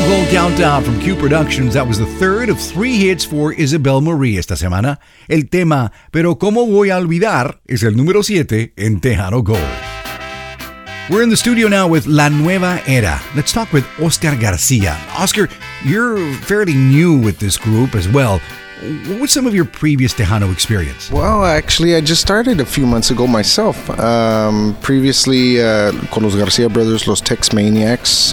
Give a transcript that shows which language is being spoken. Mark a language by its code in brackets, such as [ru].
[en] Countdown from Q Productions. That was the third of three hits for Isabel Marie [es] esta semana. El tema Pero Cómo Voy a Olvidar es el número 7 en Tejano Gold. [en] We're in the studio now with La Nueva Era. Let's talk with Oscar Garcia. Oscar, you're fairly new with this group as well. What was some of your previous Tejano experience? Well, actually, I just started a few months ago myself. Previously, [es] con los [en] Garcia Brothers, los Tex Maniacs.